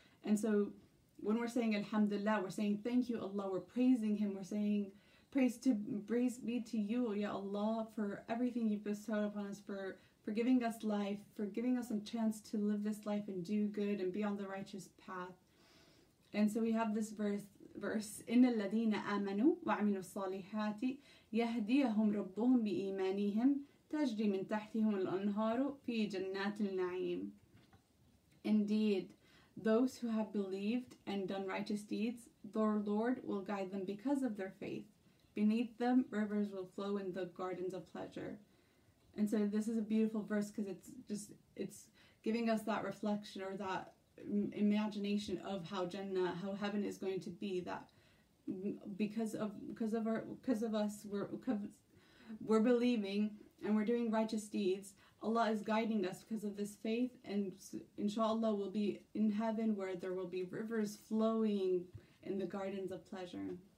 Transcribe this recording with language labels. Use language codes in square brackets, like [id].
[en] And so when we're saying Alhamdulillah, we're saying thank you Allah, we're praising Him, we're saying praise be to you, Ya Allah, for everything you've bestowed upon us, for giving us life, for giving us a chance to live this life and do good and be on the righteous path. And so we have this verse, [ar] إِنَّ الَّذِينَ آمَنُوا وَعَمِلُوا الصَّالِحَاتِ يَهْدِيَهُمْ رَبُّهُمْ بِإِيمَانِهِمْ تَجْرِي مِنْ تَحْتِهُمُ الْأَنْهَارُ فِي جَنَّاتِ النَّعِيمِ. [en] Indeed, those who have believed and done righteous deeds, their Lord will guide them because of their faith. Beneath them, rivers will flow in the gardens of pleasure. And so this is a beautiful verse because it's giving us that reflection or that imagination of how Jannah, how heaven is going to be, that because of us, we're believing and we're doing righteous deeds, Allah is guiding us because of this faith, and inshallah we'll be in heaven where there will be rivers flowing in the gardens of pleasure.